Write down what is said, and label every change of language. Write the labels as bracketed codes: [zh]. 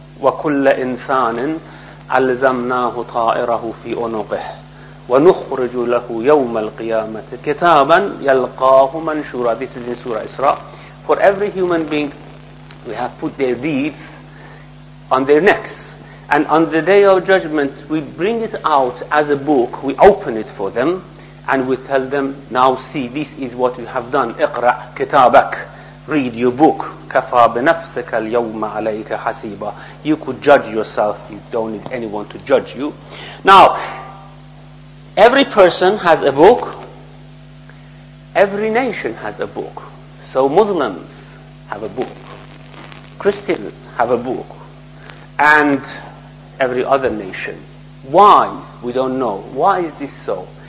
[ar] وَكُلَّ إِنسَانٍ أَلْزَمْنَاهُ طَائِرَهُ فِي عُنُقِهِ وَنُخْرِجُ لَهُ يَوْمَ الْقِيَامَةِ كِتَابًا يَلْقَاهُ مَنْشُورًا. [en] This is in Surah Isra. For every human being, we have put their deeds on their necks. And on the day of judgment, we bring it out as a book, we open it for them, and we tell them, now see, this is what you have done. [ar] اقرأ كتابك. [en] Read your book. [ar] كفى بنفسك اليوم عليك حسيبا. [en] You could judge yourself, you don't need anyone to judge you. Now, every person has a book, every nation has a book. So Muslims have a book, Christians have a book, and every other nation. Why? We don't know. Why is this so?